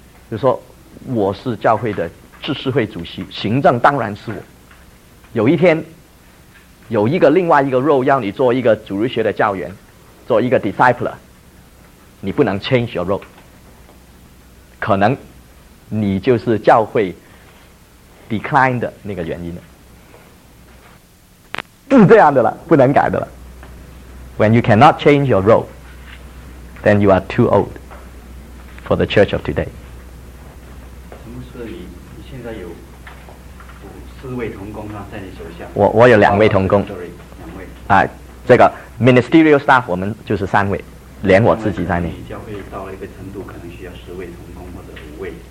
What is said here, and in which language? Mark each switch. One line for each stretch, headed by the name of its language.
Chinese: 比如说我是教会的知识会主席，行政当然是我，有一天有一个另外一个 role 要你做一个主日学的教员，做一个 discipler， 你不能 change your role，可能你就是教会 decline 的那个原因了，是这样的了，不能改的了。
English: When you cannot change your role， then you are too old for the church of today。
Chinese: 牧师，你现在有4位同工啊，在你手下。我有2位同工，两位。哎，这个 ministerial staff 我们就是3位，连我自己在内。教会到了一个程度，可能需要10位同工或者5位。